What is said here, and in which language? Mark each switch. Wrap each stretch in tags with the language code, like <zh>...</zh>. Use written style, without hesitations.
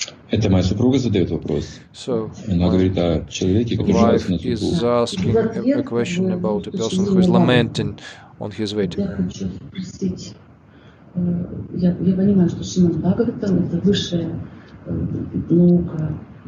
<ru>это моя супруга задает вопрос.</ru> <en>So,</en> <ru>она говорит о человеке, который жалуется на супругу.</ru> <en>Is asking a question about a person who is lamenting on his wedding.</en> <ru>Я хочу спросить. Я понимаю, что Шримад Бхагаватам это высшая наука.</ru>